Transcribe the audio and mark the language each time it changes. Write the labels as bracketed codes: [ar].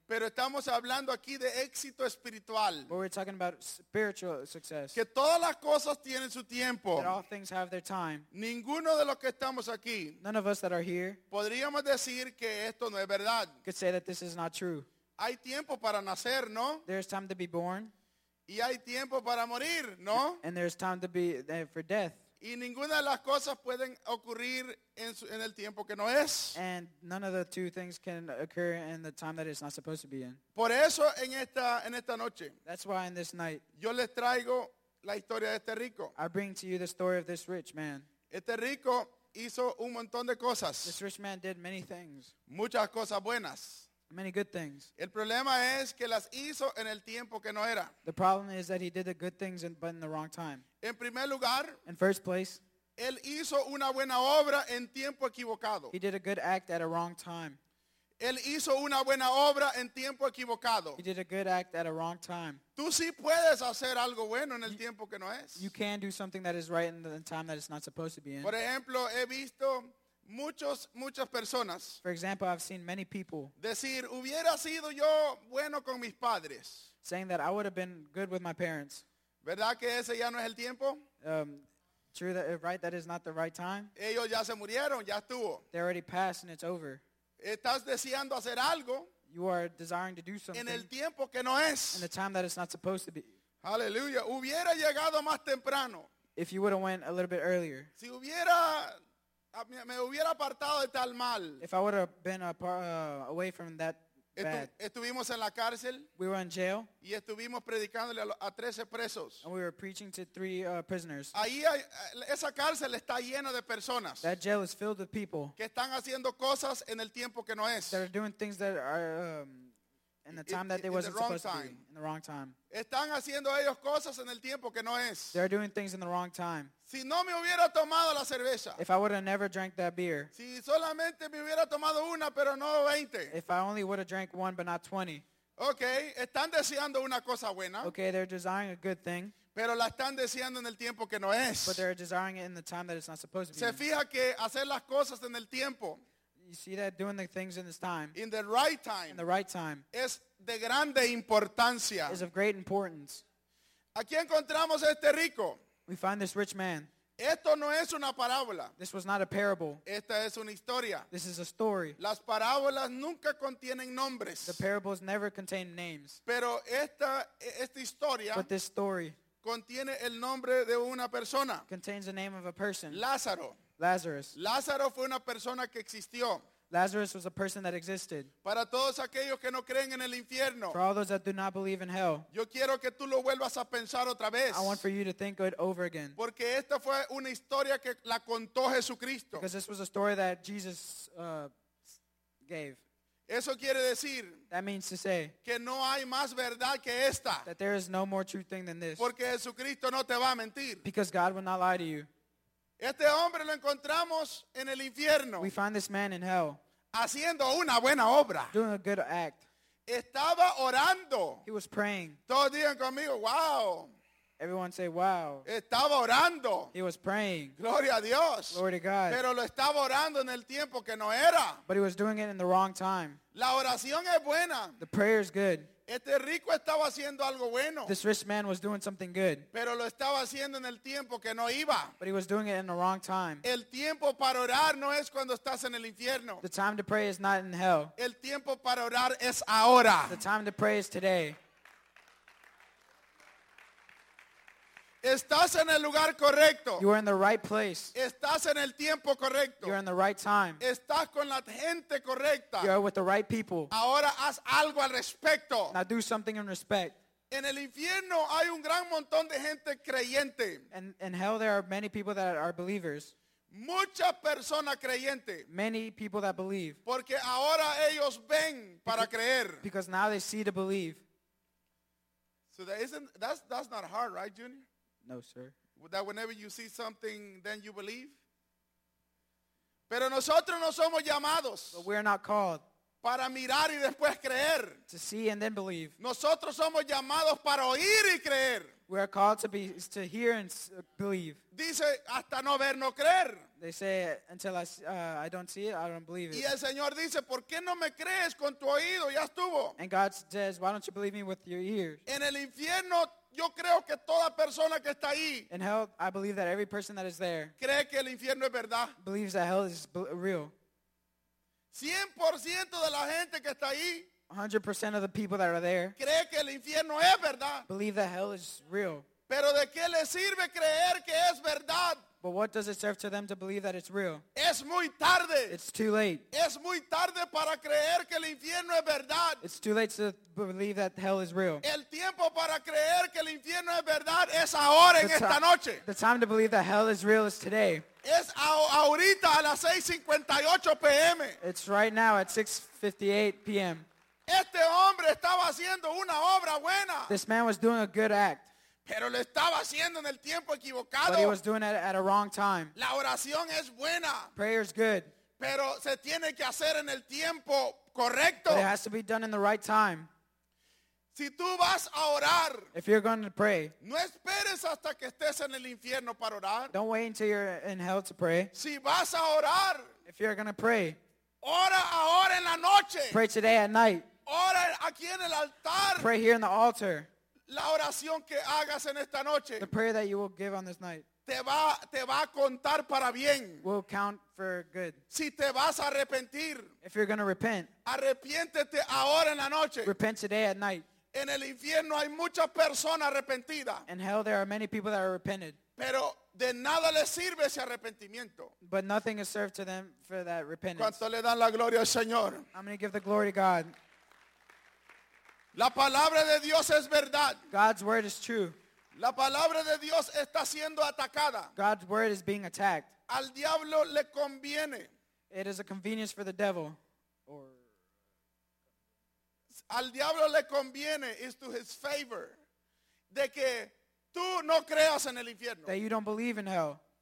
[es] Pero estamos hablando aquí de éxito espiritual. [en] But we're talking about spiritual success. [es] Que todas las cosas tienen su tiempo. [en] That all things have their time. [es] Ninguno de los que estamos aquí. [en] None of us that are here. [es] Podríamos decir que esto no es verdad. [en] Could say that this is not true. [es] Hay tiempo para nacer, ¿no? [en] There's time to be born. [es] Y hay tiempo para morir, ¿no? [en] And there's time to be there for death. [es] Y ninguna de las cosas pueden ocurrir en el tiempo que no es. [en] And none of the two things can occur in the time that it's not supposed to be in. [es] Por eso en esta noche. [en] That's why in this night. [es] Yo les traigo la historia de este rico. [en] I bring to you the story of this rich man. [es] Este rico hizo un montón de cosas. [en] This rich man did many things. [es] Muchas cosas buenas. [en] Many good things. [es] El problema es que las hizo en el tiempo que no era. [en] The problem is that he did the good things but in the wrong time. [es] En primer lugar, [en] in first place, [es] él hizo una buena obra en tiempo equivocado. [en] He did a good act at a wrong time. [es] Él hizo una buena obra en tiempo equivocado. [en] He did a good act at a wrong time. [es] Tú sí puedes hacer algo bueno en el tiempo que no es. [en] You can do something that is right in the time that it's not supposed to be in. [es] Por ejemplo, he visto muchas personas. [en] For example, I've seen many people. [es] Decir, hubiera sido yo bueno con mis padres. [en] Saying that I would have been good with my parents. [es] ¿Verdad que ese ya no es el tiempo? [en] That is not the right time. [es] Ellos ya se murieron, ya estuvo. [en] They already passed and it's over. [es] Estás deseando hacer algo. [en] You are desiring to do something. [es] En el tiempo que no es. [en] In the time that it's not supposed to be. Hallelujah. [es] Hubiera llegado más temprano. [en] If you would have went a little bit earlier. [es] Si hubiera, me hubiera apartado de tal mal. [en] If I would have been away from that. [es] Estuvimos en la cárcel. [en] We were in jail. [es] Y estuvimos predicándole a 13 presos. [en] And we were preaching to 3 prisoners. [es] Ahí hay, esa cárcel está llena de personas. [en] That jail is filled with people. [es] Que están haciendo cosas en el tiempo que no es. [en] That are doing things that are in the time that they wasn't supposed to be. In the wrong time. [es] Están haciendo ellos cosas en el tiempo que no es. [en] They're doing things in the wrong time. [es] Si no me hubiera tomado la cerveza. [en] If I would have never drank that beer. [es] Si solamente me hubiera tomado una, pero no 20. [en] If I only would have drank one, but not 20. [es] Okay, están deseando una cosa buena. [en] Okay, they're desiring a good thing. [es] Pero la están deseando en el tiempo que no es. [en] But they're desiring it in the time that it's not supposed to be. [es] Se fija que hacer las cosas en el tiempo. [en] You see that doing the things in this time. In the right time. In the right time. [es] Es de grande importancia. [en] Is of great importance. [es] Aquí encontramos a este rico. [en] We find this rich man. [es] Esto no es una parábola. [en] This was not a parable. [es] Esta es una historia. [en] This is a story. [es] Las parábolas nunca contienen nombres. [en] The parables never contain names. [es] Pero esta historia. [en] But this story. [es] Contiene el nombre de una persona. [en] Contains the name of a person. [es] Lázaro. [en] Lazarus. [es] Lázaro fue una persona que existió. [en] Lazarus was a person that existed. [es] Para todos aquellos que no creen en el infierno. [en] For all those that do not believe in hell. [es] Yo quiero que tú lo vuelvas a pensar otra vez. [en] I want for you to think it over again. [es] Porque esta fue una historia que la contó Jesucristo. [en] Because this was a story that Jesus gave. [es] Eso quiere decir. [en] That means to say. [es] Que no hay más verdad que esta. [en] That there is no more true thing than this. [es] Porque Jesucristo no te va a mentir. [en] Because God will not lie to you. [es] Este hombre lo encontramos en el infierno. [en] We find this man in hell. [es] Haciendo una buena obra. [en] Doing a good act. [es] Estaba orando. [en] He was praying. [es] Todos digan conmigo, wow. [en] Everyone say, wow. [es] Estaba orando. [en] He was praying. [es] Gloria a Dios. [en] Glory to God. [es] Pero lo estaba orando en el tiempo que no era. [en] But he was doing it in the wrong time. [es] La oración es buena. [en] The prayer is good. [es] Este rico estaba haciendo algo bueno. [en] This rich man was doing something good. [es] Pero lo estaba haciendo en el tiempo que no iba. [en] But he was doing it in the wrong time. [es] El tiempo para orar no es cuando estás en el infierno. [en] The time to pray is not in hell. [es] El tiempo para orar es ahora. [en] The time to pray is today. [es] Estás en el lugar correcto. [en] You are in the right place. [es] Estás en el tiempo correcto. [en] You're in the right time. [es] Estás con la gente correcta. [en] You are with the right people. [es] Ahora haz algo al respecto. [en] Now do something in respect. [es] En el infierno hay un gran montón de gente creyente. [en] And in hell there are many people that are believers. [es] Mucha persona creyente. [en] Many people that believe. [es] Porque ahora ellos ven para creer. [en] Because now they see to believe. So that isn't that's not hard, right, Junior? No, sir. That whenever you see something, then you believe. [es] Pero nosotros no somos llamados. [en] But we're not called. [es] Para mirar y después creer. [en] To see and then believe. [es] Nosotros somos llamados para oír y creer. [en] We are called to be to hear and believe. [es] Dice hasta no ver no creer. [en] They say until I don't see it, I don't believe it. [es] Y el Señor dice, ¿por qué no me crees con tu oído? Ya estuvo. [en] And God says, why don't you believe me with your ears? [es] En el infierno. Yo creo que toda persona que está ahí. [en] In hell, I believe that every person that is there. [es] Cree que el infierno es verdad. [en] Believes that hell is real. [es] 100% de la gente que está ahí. [en] 100% of the people that are there. [es] Cree que el infierno es verdad. [en] Believe that hell is real. [es] Pero ¿de qué le sirve creer que es verdad? [en] But what does it serve to them to believe that it's real? [es] Es muy tarde. [en] It's too late. [es] Es muy tarde para creer que el infierno es verdad. [en] It's too late to believe that hell is real. [es] El tiempo para creer que el infierno es verdad es ahora en esta noche. [en] The time to believe that hell is real is today. [es] Es ahorita a las 6:58 p.m. [en] It's right now at 6:58 p.m. [es] Este hombre estaba haciendo una obra buena. [en] This man was doing a good act. [es] Pero lo estaba haciendo en el tiempo equivocado. [en] But he was doing it at a wrong time. [es] La oración es buena. [en] Prayer is good. [es] Pero se tiene que hacer en el tiempo correcto. [en] But it has to be done in the right time. [es] Si tú vas a orar, [en] if you're going to pray, [es] no esperes hasta que estés en el infierno para orar. [en] Don't wait until you're in hell to pray. [es] Si vas a orar, [en] if you're going to pray, [es] ora ahora en la noche. [en] Pray today at night. [es] Ora aquí en el altar. [en] Pray here in the altar. [es] La oración que hagas en esta noche, [en] the prayer that you will give on this night, [es] te va a contar para bien. [en] Will count for good. [es] Si te vas a arrepentir, [en] if you're going to repent, [es] arrepiéntete ahora en la noche. [en] Repent today at night. [es] En el infierno hay muchas personas arrepentidas. [en] In hell there are many people that are repented. [es] Pero de nada les sirve ese arrepentimiento. [en] But nothing is served to them for that repentance. [es] ¿Cuánto le dan la gloria al Señor? [en] I'm going to give the glory to God. [es] La palabra de Dios es verdad. [en] God's word is true. [es] La palabra de Dios está siendo atacada. [en] God's word is being attacked. [es] Al diablo le conviene. [en] It is a convenience for the devil. Or [es] al diablo le conviene, [en] is to his favor, [es] de que tú no creas en el infierno. [en] That you don't believe in hell.